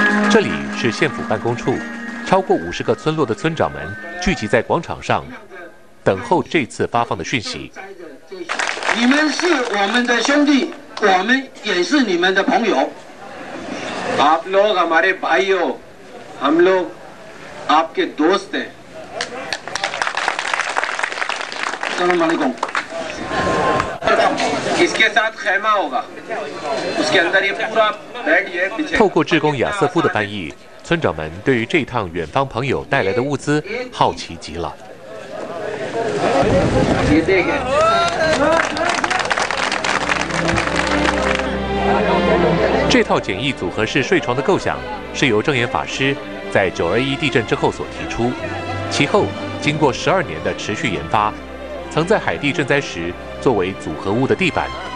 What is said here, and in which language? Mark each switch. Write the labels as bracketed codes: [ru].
[zh] 这里是县府办公处，超过五十个村落的村长们聚集在广场上，等候这次发放的讯息。你们是我们的兄弟，我们也是你们的朋友。 [hi] आप लोग हमारे भाई हो, हम लोग आपके दोस्त हैं। सलाम अलैकुम। इसके साथ खेमा होगा, उसके अंदर ये पूरा बैठ ये पीछे। [zh] 透过志工亚瑟夫的翻译，村长们对于这趟远方朋友带来的物资好奇极了。这套简易组合式睡床的构想是由正言法师在九二一地震之后所提出，其后经过12年的持续研发，曾在海地震灾时作为组合屋的地板。